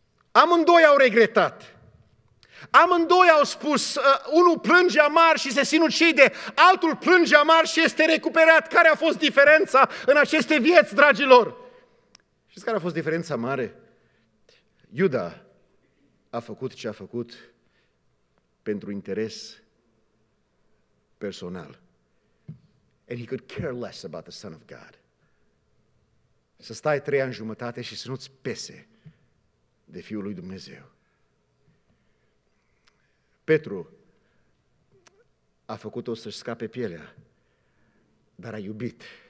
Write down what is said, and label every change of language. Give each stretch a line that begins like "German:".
Romanian: Amândoi au regretat. Amândoi au spus, unul plânge amar și se sinucide, altul plânge amar și este recuperat. Care a fost diferența în aceste vieți, dragilor? Știți care a fost diferența mare? Iuda a făcut ce a făcut pentru interes personal.
English: And he could care less about the Son of God.
Romanian: Să stai 3 ani jumătate și să nu-ți pese de Fiul lui Dumnezeu. Petru a făcut-o să-și scape pielea, dar a iubit.